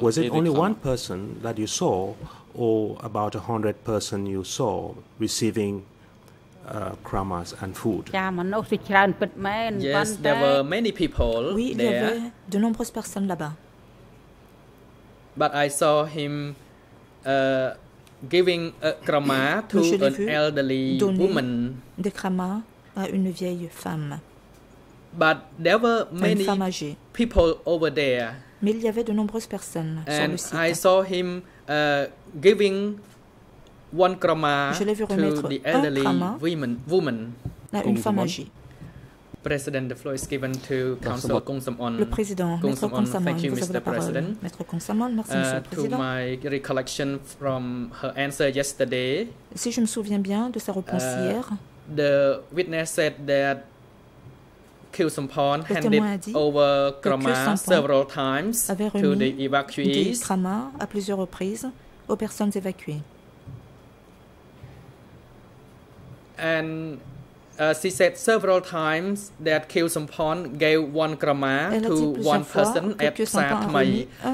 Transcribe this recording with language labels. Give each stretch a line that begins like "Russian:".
English: Was it only one person that you saw, or about 100 persons you saw receiving kramas and food? Yes, there were many people there.
French: Il y avait de nombreuses personnes là-bas.
English: But I saw him giving a krama to an elderly woman.
French: Des krama à une vieille femme.
English: But there were many people over there.
French: Mais il y avait de nombreuses personnes sur le site.
English: And I saw him giving one krama to the elderly woman.
French: À une femme âgée.
English: President, the floor is given to Council Kong Samon.
French: Le président, Kong Samon,
English: thank you, Mr. President.
French: Maître Kong Samon, merci, Monsieur le Président.
English: To my recollection from her answer yesterday.
French: Si je me souviens bien de sa réponse hier.
English: The witness said that Kyo Sampan handed over krama several times to the evacuees.
French: Des krama à plusieurs reprises aux personnes évacuées.
English: And she said several times that Kyo Sampan gave one krama to one person at Psa Thmai.